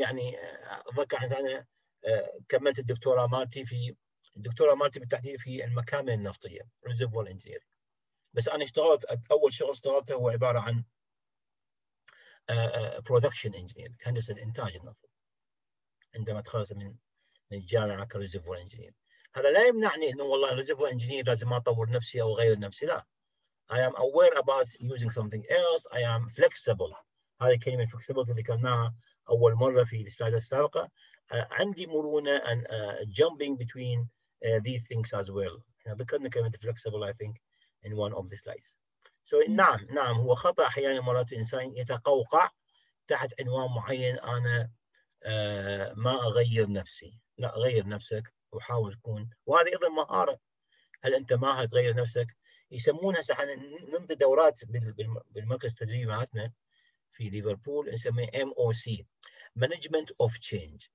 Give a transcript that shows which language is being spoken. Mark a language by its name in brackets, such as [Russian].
[Arabic] يعني اتذكر انا كملت الدكتوراه مالتي في بالتحديد في المكامن النفطيه ريزرفوار انجينير، بس انا اشتغلت اول شغل اشتغلته هو عباره عن برودكشن انجينير، هندسه الانتاج النفط، عندما تخرج من الجامعه كريزرفوار انجينير. هذا لا يمنعني انه والله ريزرفوار انجينير لازم اطور نفسي او غير نفسي، لا. [English] I am aware about using something else. I am flexible. [Arabic] هذه كلمة flexibility ذكرناها أول مرة في السلايد السابقة. عندي مرونة [English] and jumping between these things as well. [Arabic] ذكرنا كلمة [English] flexible I think in one of the slides. [Arabic] So نعم نعم هو خطأ أحيانا، مرات الإنسان يتقوقع تحت عنوان معين، أنا ما أغير نفسي. لا، غير نفسك وحاول تكون، وهذه أيضا مهارة. هل أنت ماهر تغير نفسك؟ يسمونها سحنا نمضي دورات بالمركز التدريبي معتنا في ليفربول، نسميه MOC، Management of Change.